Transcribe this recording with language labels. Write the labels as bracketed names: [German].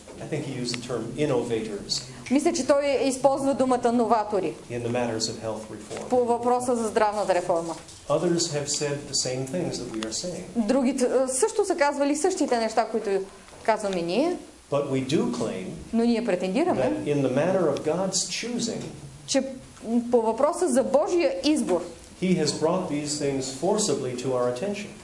[English] I think he used the term innovators. [Bulgarian] Мисля, че той използва думата новатори. [English] In the matters of health reform. [Bulgarian] По въпроса за здравната реформа. [English] Others have said the same things that we are saying. [Bulgarian] Другите също са казвали същите неща, които казваме ние. [English] But we do claim. [Bulgarian] Но ние претендираме. [English] That in the matter of God's choosing. [Bulgarian] Че по въпроса за Божия избор. [English] He has brought these things forcibly to our attention.